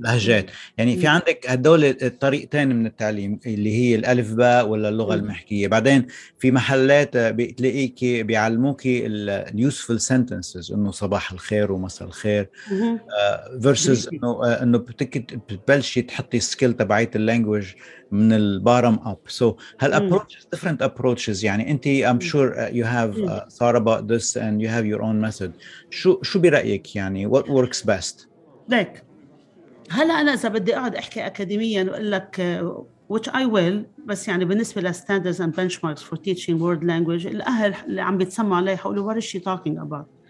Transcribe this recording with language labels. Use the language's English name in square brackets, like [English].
[Arabic] لهجات يعني في عندك هدول الطريقتين من التعليم اللي هي الالف باء ولا اللغه المحكيه. بعدين في محلات بتلاقيكي بيعلموكي [English] اليوسفل سنتنسز، [Arabic] انه صباح الخير ومساء الخير، فيرسز انه بتبلشي تحطي سكيل تبعيت اللانجويج من البارم اب. [English] So هل approaches different approaches، [Arabic] يعني انت [English] I'm sure you have thought about this and you have your own method. [Arabic] شو برأيك يعني [English] what works best؟ [Arabic] لك هلا انا اذا بدي اقعد احكي اكاديميا اقول لك [English] which I will، [Arabic] بس يعني بالنسبه لل [English] standards and benchmarks for teaching world language [Arabic] الاهل اللي عم بيتسمعوا علي حقولوا [English] what is she talking about.